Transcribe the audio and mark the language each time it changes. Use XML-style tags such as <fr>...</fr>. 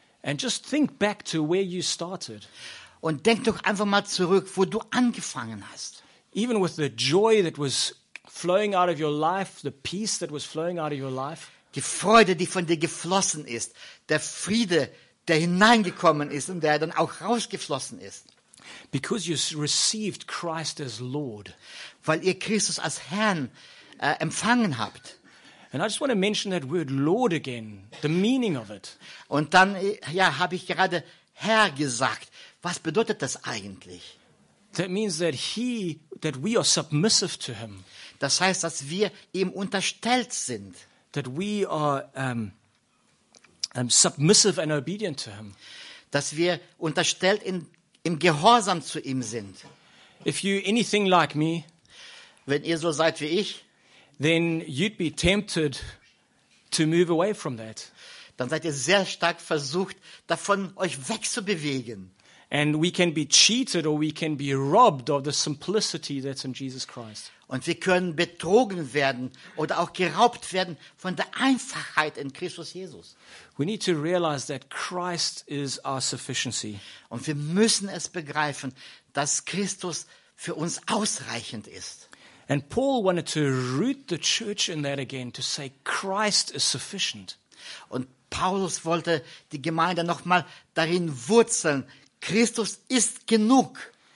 <en>And just think back to where you started.</en> <de>Und denk doch einfach mal zurück, wo du angefangen hast.</de> <en>Even with the joy that was flowing out of your life, the peace that was flowing out of your life.</en> <de>Die Freude, die von dir geflossen ist, der Friede, der hineingekommen ist und der dann auch rausgeflossen ist.</de> <en>Because you received Christ as Lord.</en> <de>Weil ihr Christus als Herrn empfangen habt.</de> <en>And I just want to mention that word Lord again, the meaning of it.</en> <de>Und dann ja, habe ich gerade Herr gesagt. Was bedeutet das eigentlich?</de> <en>That means that we are submissive to him.</en> <de>Das heißt, dass wir ihm unterstellt sind.</de> <en>That we are submissive and obedient to him.</en> <de>Dass wir unterstellt im Gehorsam zu ihm sind.</de> <en>If you anything like me,</en> <de>wenn ihr so seid wie ich,</de> <en>then you'd be tempted to move away from that.</en> <de>Dann seid ihr sehr stark versucht, davon euch wegzubewegen.</de> <en>And we can be cheated or we can be robbed of the simplicity that's in Jesus Christ.</en> <de>Und wir können betrogen werden oder auch geraubt werden von der Einfachheit in Christus Jesus.</de> <en>We need to realize that Christ is our sufficiency.</en> <de>Und wir müssen es begreifen, dass Christus für uns ausreichend ist.</de> <en>And Paul wanted to root the church in that again, to say Christ is sufficient.</en> <de>Und Paulus wollte die Gemeinde nochmal darin wurzeln, Christus ist genug.</de>